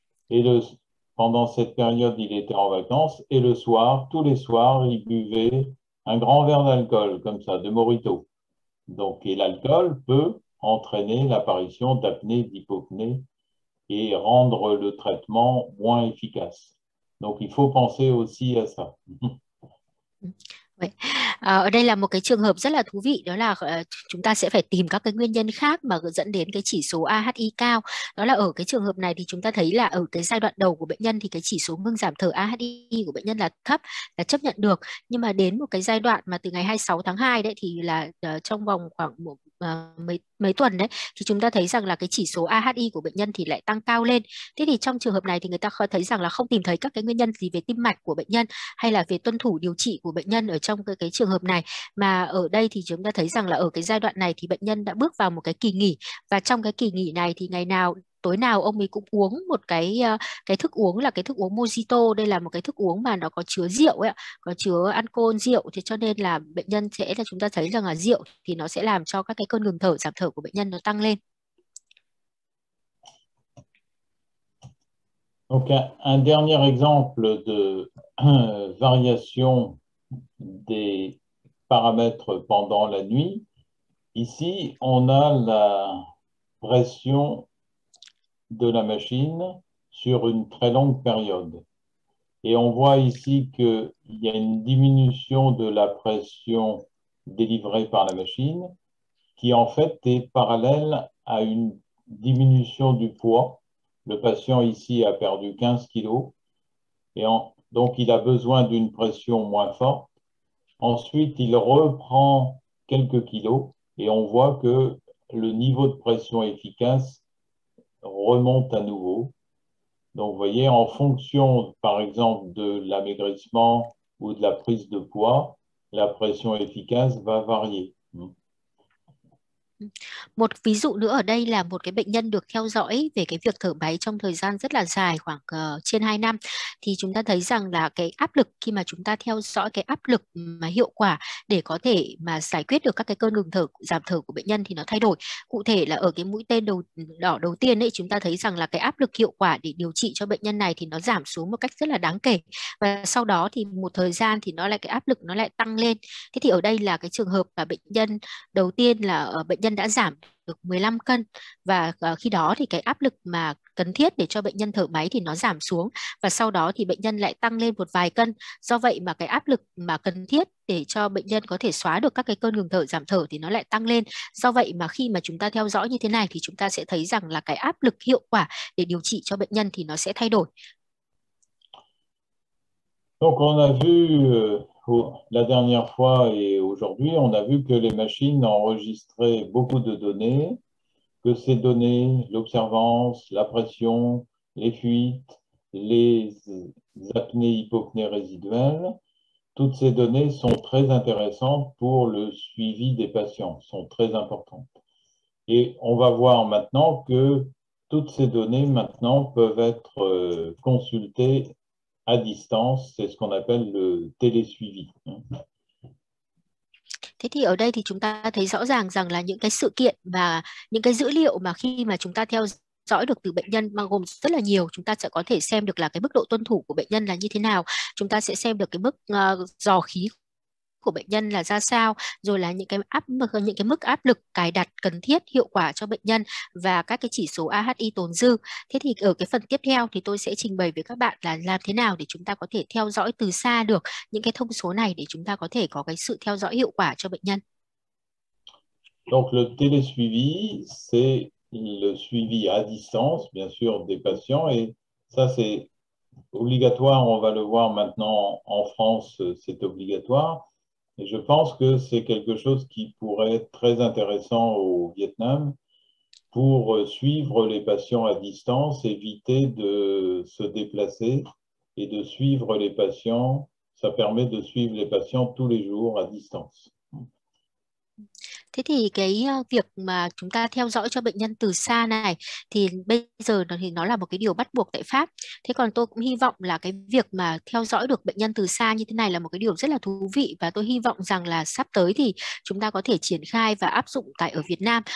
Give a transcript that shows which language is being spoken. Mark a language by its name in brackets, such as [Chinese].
[French] Et pendant cette période, il était en vacances. Et le soir, tous les soirs, il buvait un grand verre d'alcool, comme ça, de mojito. Donc, et l'alcool peut entraîner l'apparition d'apnée, d'hypopnée et rendre le traitement moins efficace. Donc, il faut penser aussi à ça. [Vietnamese] Vậy. Ở đây là một cái trường hợp rất là thú vị, đó là chúng ta sẽ phải tìm các cái nguyên nhân khác mà dẫn đến cái chỉ số AHI cao. Đó là ở cái trường hợp này thì chúng ta thấy là ở cái giai đoạn đầu của bệnh nhân thì cái chỉ số ngưng giảm thở AHI của bệnh nhân là thấp, là chấp nhận được. Nhưng mà đến một cái giai đoạn mà từ ngày 26 tháng 2 đấy thì là trong vòng khoảng một mấy mấy tuần đấy, thì chúng ta thấy rằng là cái chỉ số AHI của bệnh nhân thì lại tăng cao lên. Thế thì trong trường hợp này thì người ta thấy rằng là không tìm thấy các cái nguyên nhân gì về tim mạch của bệnh nhân hay là về tuân thủ điều trị của bệnh nhân ở trong cái trường hợp này, mà ở đây thì chúng ta thấy rằng là ở cái giai đoạn này thì bệnh nhân đã bước vào một cái kỳ nghỉ, và trong cái kỳ nghỉ này thì ngày nào tối nào ông ấy cũng uống một cái thức uống là cái thức uống Mojito. Đây là một cái thức uống mà nó có chứa rượu ấy, có chứa alcohol rượu, thế cho nên là bệnh nhân sẽ là chúng ta thấy rằng là rượu thì nó sẽ làm cho các cái cơn ngừng thở, giảm thở của bệnh nhân nó tăng lên. [French] Donc, un dernier exemple de variation des paramètres pendant la nuit. Ici, on a la pression de la machine sur une très longue période. Et on voit ici qu'il y a une diminution de la pression délivrée par la machine qui, en fait, est parallèle à une diminution du poids. Le patient ici a perdu 15 kilos et donc il a besoin d'une pression moins forte. Ensuite, il reprend quelques kilos et on voit que le niveau de pression efficace remonte à nouveau. Donc, vous voyez, en fonction, par exemple, de l'amaigrissement ou de la prise de poids, la pression efficace va varier. [Vietnamese] Một ví dụ nữa ở đây là một cái bệnh nhân được theo dõi về cái việc thở máy trong thời gian rất là dài, khoảng trên 2 năm, thì chúng ta thấy rằng là cái áp lực khi mà chúng ta theo dõi cái áp lực mà hiệu quả để có thể mà giải quyết được các cái cơn ngừng thở, giảm thở của bệnh nhân thì nó thay đổi. Cụ thể là ở cái mũi tên đầu đỏ đầu tiên ấy, chúng ta thấy rằng là cái áp lực hiệu quả để điều trị cho bệnh nhân này thì nó giảm xuống một cách rất là đáng kể. Và sau đó thì một thời gian thì nó lại cái áp lực nó lại tăng lên. Thế thì ở đây là cái trường hợp mà bệnh nhân đầu tiên là bệnh nhân đã giảm được 15 cân, và khi đó thì cái áp lực mà cần thiết để cho bệnh nhân thở máy thì nó giảm xuống, và sau đó thì bệnh nhân lại tăng lên một vài cân. Do vậy mà cái áp lực mà cần thiết để cho bệnh nhân có thể xóa được các cái cơn ngừng thở, giảm thở thì nó lại tăng lên. Do vậy mà khi mà chúng ta theo dõi như thế này thì chúng ta sẽ thấy rằng là cái áp lực hiệu quả để điều trị cho bệnh nhân thì nó sẽ thay đổi. [French] Donc on a vu La dernière fois et aujourd'hui, on a vu que les machines enregistraient beaucoup de données, que ces données, l'observance, la pression, les fuites, les apnées hypopnées résiduelles, toutes ces données sont très intéressantes pour le suivi des patients, sont très importantes. Et on va voir maintenant que toutes ces données maintenant peuvent être consultées à distance, c'est ce qu'on appelle le télésuivi. [Vietnamese] Thế thì ở đây thì chúng ta thấy rõ ràng rằng là những cái sự kiện và những cái dữ liệu mà khi mà chúng ta theo dõi được từ bệnh nhân bao gồm rất là nhiều, chúng ta sẽ có thể xem được là cái mức độ tuân thủ của bệnh nhân là như thế nào, chúng ta sẽ xem được cái mức dò khí của bệnh nhân là ra sao, rồi là những cái mức áp lực cài đặt cần thiết hiệu quả cho bệnh nhân và các cái chỉ số AHI tồn dư. Thế thì ở cái phần tiếp theo thì tôi sẽ trình bày với các bạn là làm thế nào để chúng ta có thể theo dõi từ xa được những cái thông số này để chúng ta có thể có cái sự theo dõi hiệu quả cho bệnh nhân. [French] Donc le télésuivi, c'est le suivi à distance, bien sûr, des patients. Et ça, c'est obligatoire. On va le voir maintenant en France, c'est obligatoire. Et je pense que c'est quelque chose qui pourrait être très intéressant au Vietnam pour suivre les patients à distance, éviter de se déplacer et de suivre les patients. Ça permet de suivre les patients tous les jours à distance. [Vietnamese] Thế thì cái việc mà chúng ta theo dõi cho bệnh nhân từ xa này thì bây giờ thì nó là một cái điều bắt buộc tại Pháp. Thế còn tôi cũng hy vọng là cái việc mà theo dõi được bệnh nhân từ xa như thế này là một cái điều rất là thú vị và tôi hy vọng rằng là sắp tới thì chúng ta có thể triển khai và áp dụng tại ở Việt Nam.